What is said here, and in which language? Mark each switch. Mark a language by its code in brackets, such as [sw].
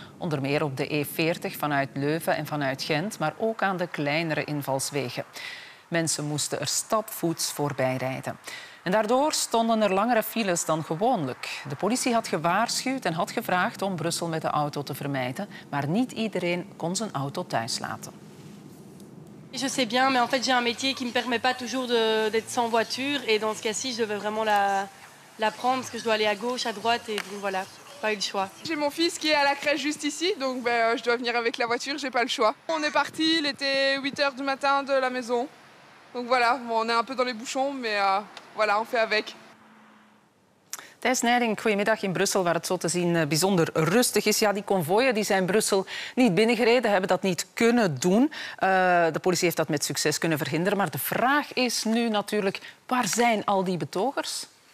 [nl] Onder meer op de E40 vanuit Leuven en vanuit Gent, maar ook aan de kleinere invalswegen. Mensen moesten er stapvoets voorbij rijden. En daardoor stonden er langere files dan gewoonlijk. De politie had gewaarschuwd en had gevraagd om Brussel met de auto te vermijden, maar niet iedereen kon zijn auto thuis laten. [fr] Je sais bien, mais en fait j'ai un métier qui me permet pas toujours d'être sans voiture et dans ce cas-ci je devais vraiment la prendre parce que je dois aller à gauche, à droite et donc voilà, pas eu le choix. J'ai mon fils qui est à la crèche juste ici, donc je dois venir avec la voiture, j'ai pas le choix. On est parti, il était 8h du matin de la maison. Donc voilà, on est un peu dans les bouchons, mais voilà, on fait avec. [nl] Thijs Nijring, goedemiddag in Brussel, waar het zo te zien bijzonder rustig is. Ja, die konvooien die zijn Brussel niet binnengereden, hebben dat niet kunnen doen. De politie heeft dat met succes kunnen verhinderen. Maar de vraag is nu natuurlijk, waar zijn al die betogers?